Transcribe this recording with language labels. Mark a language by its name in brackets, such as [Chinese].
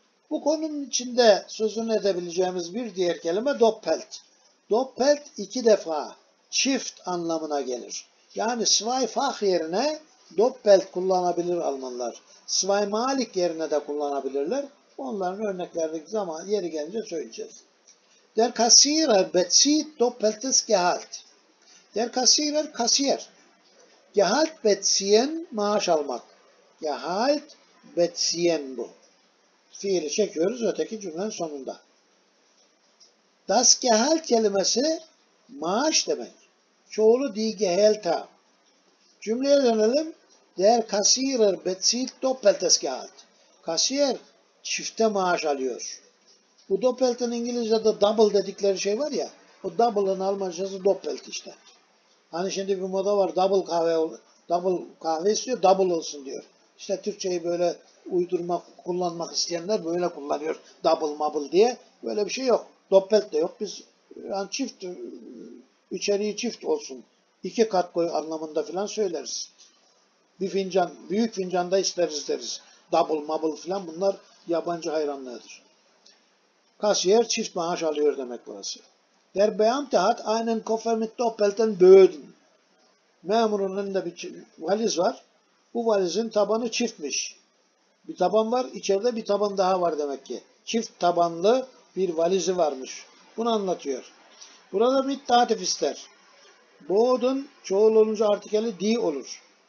[Turkish] Bu konunun içinde sözünü edebileceğimiz bir diğer kelime doppelt. Doppelt iki defa, çift anlamına gelir. Yani zweifach yerine doppelt kullanabilir Almanlar. Zweimalig yerine de kullanabilirler. Onların örneklerdeki zaman yeri gelince söyleyeceğiz. [German] Der Kassierer bezieht doppeltes Gehalt. Der Kassierer kasier. Gehalt beziehen, [Turkish] maaş almak. [German] Gehalt beziehen bu. [Turkish] Fiili çekiyoruz öteki cümlenin sonunda. Das Gehalt kelimesi maaş demek. Çoğulu die Gehälter. Cümleye dönelim. [German] Der Kassierer bezieht doppeltes Gehalt. [Turkish] Kasiyer çifte maaş alıyor. Bu doppelt'in İngilizce'de double dedikleri şey var ya. Bu double'ın Almancası doppelt işte. Hani şimdi bir moda var double kahve istiyor double olsun diyor. İşte Türkçeyi böyle uydurmak, kullanmak isteyenler böyle kullanıyor. Double, mobile diye. Böyle bir şey yok. Doppelt de yok. Biz yani çift, içeriği çift olsun. İki kat koy anlamında falan söyleriz. Bir fincan, büyük fincanda isteriz deriz. Double, mobile falan bunlar yabancı hayranlığıdır. Kasiyer çift maaş alıyor demek burası. [German] Der Beamte hat einen Koffer mit doppelten Böden. [Turkish] Memurun önünde bir valiz var. Bu valizin tabanı çiftmiş. Bir taban var, içeride bir taban daha var demek ki. Çift tabanlı bir valizi varmış. Bunu anlatıyor. Burada mit datif ister. Boğdun çoğul olunca artikeli di olur.